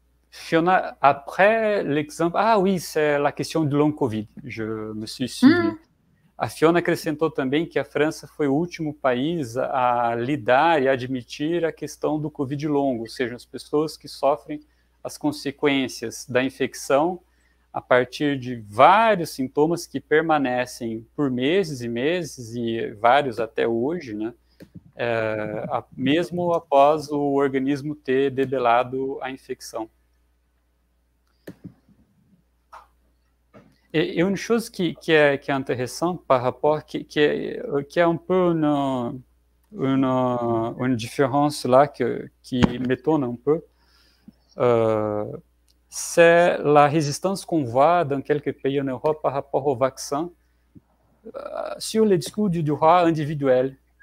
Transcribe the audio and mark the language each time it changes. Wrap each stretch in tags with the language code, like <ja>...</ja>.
<fr>Fiona, après l'exemple... Ah oui, c'est la question du long Covid. Je me suis suivi.</fr> <pt>A Fiona acrescentou também que a França foi o último país a lidar e admitir a questão do Covid longo, ou seja, as pessoas que sofrem as consequências da infecção a partir de vários sintomas que permanecem por meses e meses, e vários até hoje, né? Mesmo após o organismo ter debelado a infecção.</pt> <fr>Et une chose qui est intéressante par rapport, qui est un peu une différence là, qui m'étonne un peu, c'est la résistance qu'on voit dans quelques pays en Europe par rapport au vaccin sur les discours du droit individuel.</fr>